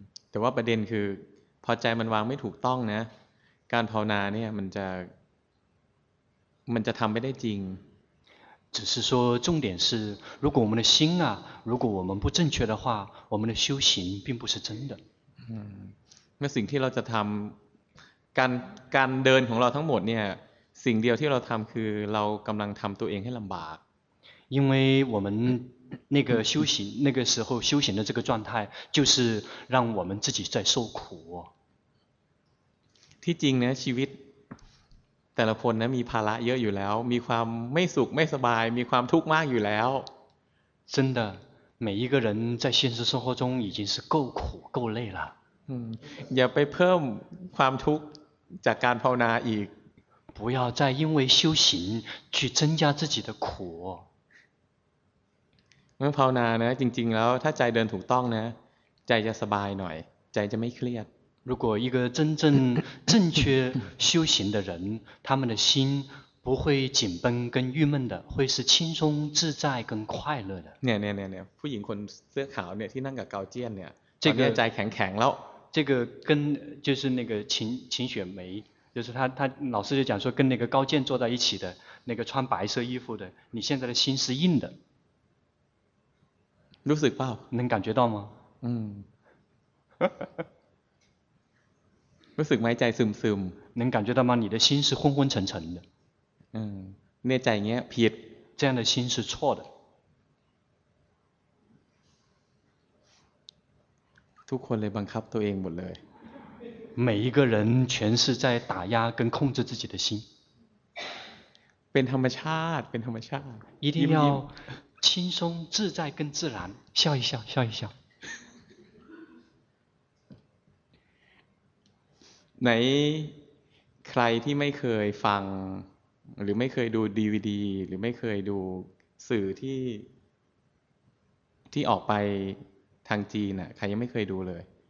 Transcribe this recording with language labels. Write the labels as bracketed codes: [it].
[th] แต่ว่าประเด็นคือพอใจมันวางไม่ถูกต้องนะการภาวนาเนี่ยมันจะทำไม่ได้จริง [zh] 只是说重点是如果我们的心啊如果我们不正确的话我们的修行并不是真的 [th] 那สิ่งที่เราจะทำการเดินของเราทั้งหมดเนี่ยสิ่งเดียวที่เราทำคือเรากำลังทำตัวเองให้ลำบาก [zh] 因为我们那个修行那个时候修行的这个状态就是让我们自己在受苦 [th] ที่จริงนะชีวิตแต่ละคนนะมีภาระเยอะอยู่แล้วมีความไม่สุขไม่สบายมีความทุกข์มากอยู่แล้ว [zh] 真的每一个人在现实生活中已经是够苦够累了 [th] อย่าไปเพิ่มความทุกข์จากการภาวนาอีก [zh] 不要再因为修行去增加自己的苦 [th] เมื่อภาวนานะจริงๆแล้วถ้าใจเดินถูกต้องนะใจจะสบายหน่อยใจจะไม่เครียด [zh] 如果一个真正正确修行的人他们的心不会紧绷跟郁闷的会是轻松自在跟快乐的 [th] เนี่ยผู้หญิงคนเสื้อขาวเนี่ยที่นั่งกับเกาเจี้ยนเนี่ยตอนนี้ใจแข็งแข็งแล้ว [zh] 这个跟就是那个秦雪梅就是他老师就讲说跟那个高健坐在一起的那个穿白色衣服的你现在的心是硬的 [th] รู้สึกเปล่า [zh] 能感觉到吗 [th] รู้สึกไหมใจซึมซึม [zh] 能感觉到吗你的心是昏昏沉沉的 [th] ในใจเงี้ยผิด [zh] 这样的心是错的 [th] ทุกคนเลยบังคับตัวเองหมดเลย [zh] 每一个人全是在打压跟控制自己的心 [th] เป็นธรรมชาติเป็นธรรมชาติ [zh] 一定要轻松自在跟自然笑一笑笑一笑 [th] ไหนใครที่ไม่เคยฟังหรือไม่เคยดู DVD หรือไม่เคยดูสื่อที่ออกไปทางจีนน่ะใครยังไม่เคยดูเลย